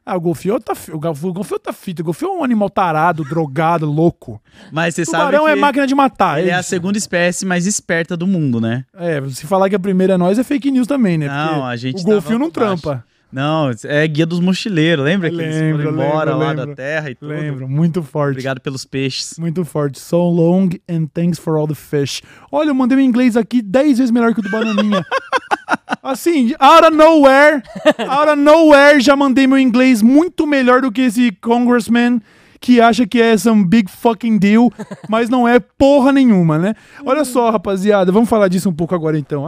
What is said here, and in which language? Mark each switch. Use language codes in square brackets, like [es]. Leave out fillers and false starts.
[pt] Ah, o golfinho tá o golfinho tá fito. O golfinho é um animal tarado, drogado, louco. Mas você sabe. O tubarão é máquina de matar. Ele é a segunda espécie mais esperta do mundo, né? É, se falar que a primeira é nós, é fake news também, né? Não, porque a gente. O golfinho não trampa. Não, é guia dos mochileiros, lembra? Que eles foram embora lá da terra e tudo. Lembro, muito forte. Obrigado pelos peixes. Muito forte. [en] So long and thanks for all the fish. [pt] Olha, eu mandei meu inglês aqui 10 vezes melhor que o do Bananinha. Assim, [en] out of nowhere, [pt] já mandei meu inglês muito melhor do que esse congressman que acha que é [en] some big fucking deal, [pt] mas não é porra nenhuma, né? Olha só, rapaziada, vamos falar disso um pouco agora então.